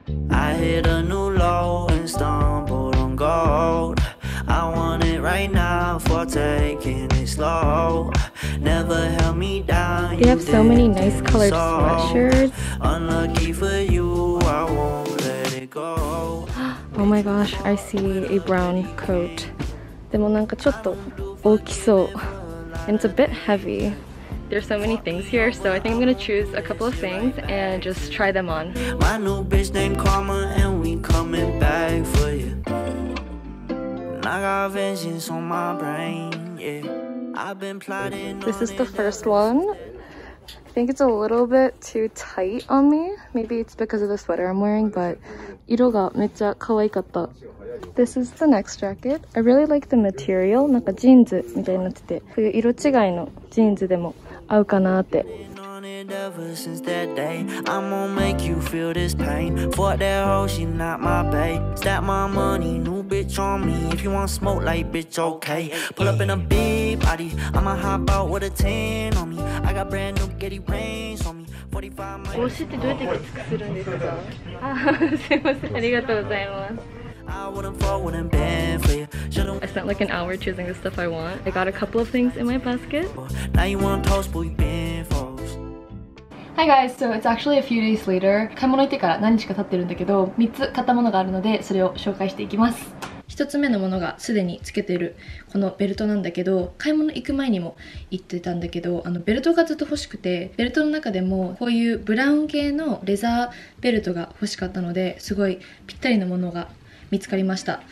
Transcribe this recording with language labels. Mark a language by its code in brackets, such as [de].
[en] I hit a new low and stumbled on gold. I want it right now for taking it slow. Never held me down. They have so many nice colored sweatshirts. Unlucky for you, I won't let it go. Oh my gosh, I see a brown coat. [ja] でもなんかちょっと大きそう。 [en] And it's a bit heavy. There's so many things here, so I think I'm gonna choose a couple of things and just try them on. My new bitch named Karma, and we coming back for you. I got vengeance on my brain, yeah.I've been plotting. This is the first one. think it's a little bit too tight on me. Maybe it's because of the sweater I'm wearing, but [ja] 色がめっちゃ可愛かった。 [en] This is the next jacket. I really like the material. [ja] なんかジーンズみたいになってて、こういう色違いのジーンズでも合うかなって。 [en] Ever since that day, I'm gonna make you feel this pain. Fuck that hoe, she not my babe. Stack my money, new bitch on me. If you want smoke, like bitch, okay. Pull up in a big body, I'ma hop out with a tan on me. I got brand new Getty Range on me. 45 miles. What's it? What's it? What's it? What's it? I wouldn't fall with them bad for you. I spent like an hour choosing the stuff I want. I got a couple of things in my basket. Now you want toast, but you've been for. Hi guys, so it's actually a few days later. [ja] 買い物行ってから何日か経ってるんだけど、3つ買ったものがあるので、それを紹介していきます。 1つ目のものがすでにつけてるこのベルトなんだけど、買い物行く前にも言ってたんだけど、あのベルトがずっと欲しくて、ベルトの中でもこういうブラウン系のレザーベルトが欲しかったので、すごいぴったりのものが見つかりました。